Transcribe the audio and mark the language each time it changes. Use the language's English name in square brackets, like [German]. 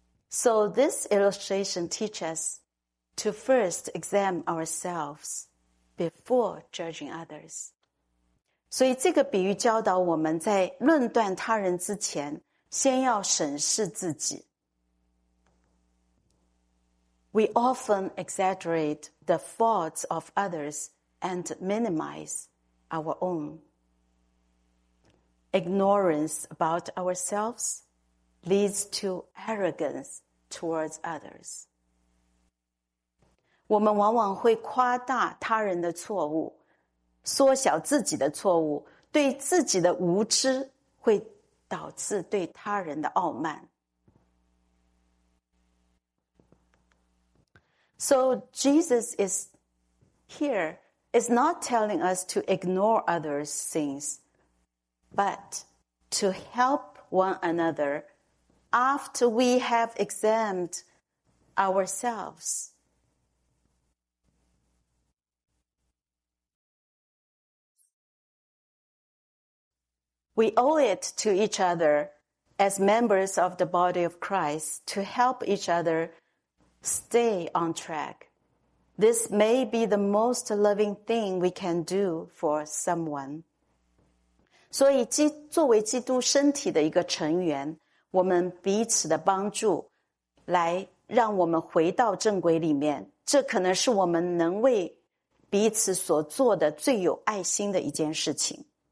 [English] So this illustration teaches us to first examine ourselves before judging others. [Chinese] 所以这个比喻教导我们在论断他人之前，先要审视自己。 [English] We often exaggerate the faults of others and minimize our own. Ignorance about ourselves leads to arrogance towards others. [Chinese] 我们往往会夸大他人的错误，缩小自己的错误，对自己的无知会导致对他人的傲慢。 [English] So Jesus is here is not telling us to ignore others' sins, but to help one another after we have examined ourselves. We owe it to each other as members of the body of Christ to help each other stay on track. This may be the most loving thing we can do for someone. [Chinese] 所以作为基督身体的一个成员，我们彼此的帮助来让我们回到正轨里面，这可能是我们能为彼此所做的最有爱心的一件事情。